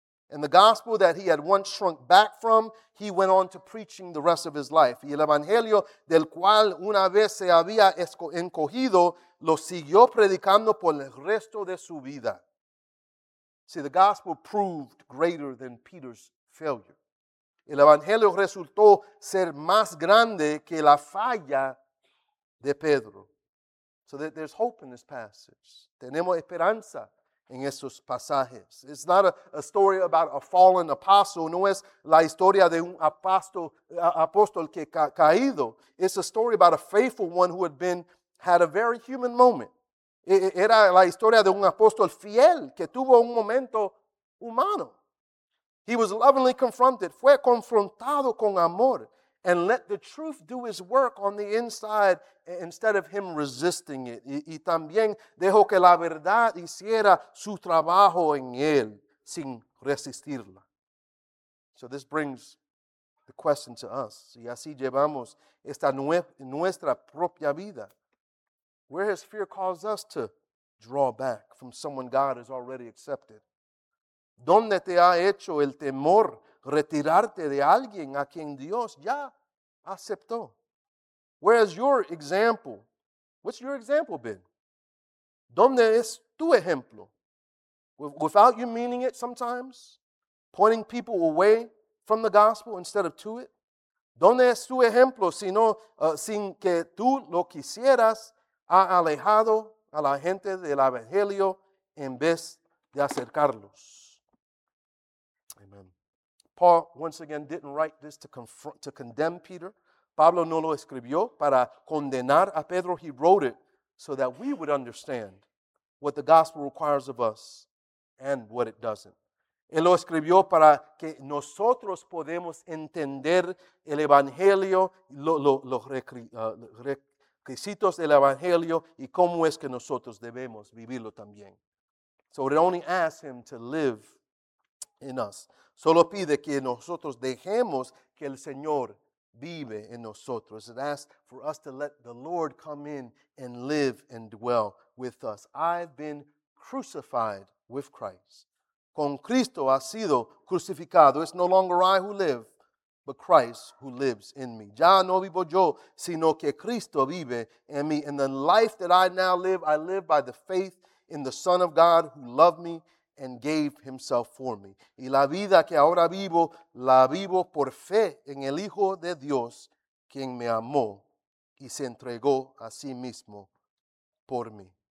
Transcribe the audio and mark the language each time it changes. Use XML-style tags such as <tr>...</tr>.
<en>And the gospel that he had once shrunk back from, he went on to preaching the rest of his life.</en> <es>Y el evangelio del cual una vez se había encogido, lo siguió predicando por el resto de su vida.</es> <en>See, the gospel proved greater than Peter's failure.</en> <es>El evangelio resultó ser más grande que la falla de Pedro.</es> <en>So there's hope in this passage.</en> <es>Tenemos esperanza en estos pasajes.</es> <en>It's not a story about a fallen apostle.</en> <es>No es la historia de un apóstol que caído.</es> <en>It's a story about a faithful one who had been had a very human moment.</en> <es>Era la historia de un apóstol fiel que tuvo un momento humano.</es> <en>He was lovingly confronted.</en> <es>Fue confrontado con amor.</es> <en>And let the truth do its work on the inside instead of him resisting it.</en> <es>Y también dejó que la verdad hiciera su trabajo en él sin resistirla.</es> <en>So this brings the question to us.</en> <es>Y así llevamos esta nuestra propia vida.</es> <en>Where has fear caused us to draw back from someone God has already accepted?</en> <es>¿Dónde te ha hecho el temor retirarte de alguien a quien Dios ya aceptó?</es> <en>Where is your example? What's your example been?</en> <es>¿Dónde es tu ejemplo?</es> <en>Without you meaning it sometimes, pointing people away from the gospel instead of to it?</en> <es>¿Dónde es tu ejemplo sino sin que tú lo quisieras ha alejado a la gente del evangelio en vez de acercarlos?</es> <en>Amen. Paul, once again, didn't write this to condemn Peter.</en> <es>Pablo no lo escribió para condenar a Pedro.</es> <en>He wrote it so that we would understand what the gospel requires of us and what it doesn't.</en> <es>Él lo escribió para que nosotros podemos entender el evangelio, los requisitos del evangelio y cómo es que nosotros debemos vivirlo también.</es> <en>So it only asks him to live in us.</en> <es>Solo pide que nosotros dejemos que el Señor vive en nosotros.</es> <en>It asks for us to let the Lord come in and live and dwell with us. I've been crucified with Christ.</en> <es>Con Cristo ha sido crucificado.</es> <en>It's no longer I who live, but Christ who lives in me.</en> <es>Ya no vivo yo, sino que Cristo vive en mí.</es> <en>And the life that I now live, I live by the faith in the Son of God who loved me and gave himself for me.</en> <es>Y la vida que ahora vivo, la vivo por fe en el Hijo de Dios, quien me amó y se entregó a sí mismo por mí.</es>